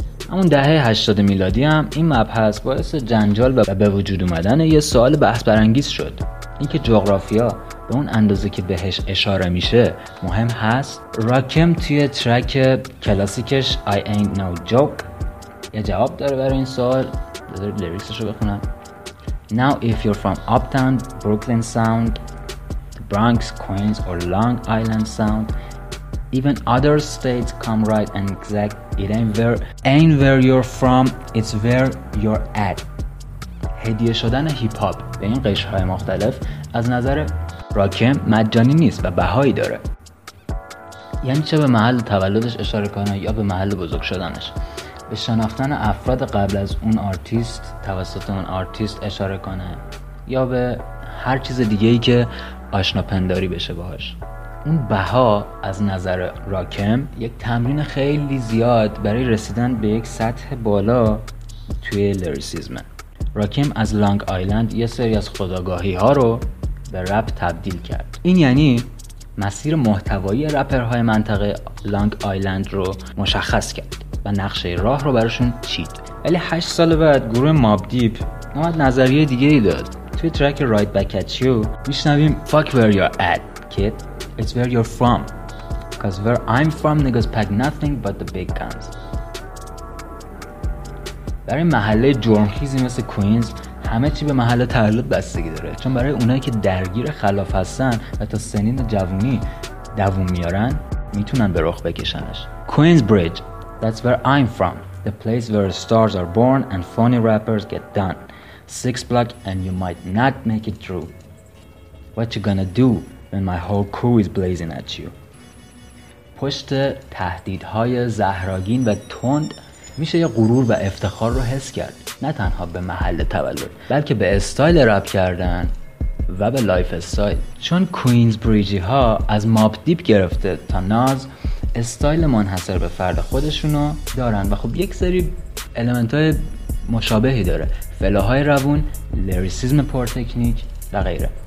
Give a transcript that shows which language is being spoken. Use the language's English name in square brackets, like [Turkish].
[Persian] همون دهه 80 میلادی هم این مبحث باعث جنجال و به وجود اومدن یه سوال بحث برانگیز شد. اینکه جغرافیا به اون اندازه که بهش اشاره میشه مهم هست. راکم توی ترک کلاسیکش I ain't no joke یه جواب داره برای این سوال. بذارید لیریکسش رو بخونم. [English] Now if you're from uptown Brooklyn sound, Bronx, Queens or Long Island sound, even other states come right and exact. It ain't where you're from, it's where you're at. [Persian] هدیه شدن هیپ هاپ به این قشرهای مختلف از نظر راکم مجانی نیست و بهایی داره. یعنی چه به محل تولدش اشاره کنه یا به محل بزرگ شدنش. به شناختن افراد قبل از اون آرتیست توسط اون آرتیست اشاره کنه یا به هر چیز دیگه‌ای که آشناپنداری بشه باهاش. اون بها از نظر راکم یک تمرین خیلی زیاد برای رسیدن به یک سطح بالا توی لیریسیزمه. راکم از لانگ آیلند یه سری از خودآگاهی ها رو به رپ تبدیل کرد. این یعنی مسیر محتوایی رپرهای منطقه لانگ آیلند رو مشخص کرد و نقشه راه رو براشون چید. ولی 8 سال بعد گروه ماب دیپ نماد نظریه دیگه ای داد. توی ترک رایت بک ات یو میشنویم فاک ویر یور ات کید، [English] It's where you're from, because where I'm from niggas pack nothing but the big guns. [Persian] برای محله جرمخیزی مثل کوینز همه چی به محله تولد بستگی داره، چون برای اونایی که درگیر خلاف هستن و تا سنین جوونی دووم میارن میتونن به رخ بکشنش. کوینز بریج، [English] that's where I'm from, the place where stars are born and funny rappers get done. Six block and you might not make it through. What you gonna do when my whole crew is blazing at you. [Persian] پشت تهدیدهای زهرآگین و تند میشه یه غرور و افتخار رو حس کرد، نه تنها به محل تولد بلکه به استایل رپ کردن و به لایف استایل. چون کوینز بریجی ها از ماب دیپ گرفته تا ناز استایل منحصر به فرد خودشونو دارن و خب یک سری المنت‌های مشابهی داره، فلوهای روون، لیریسیزم پر تکنیک و غیره.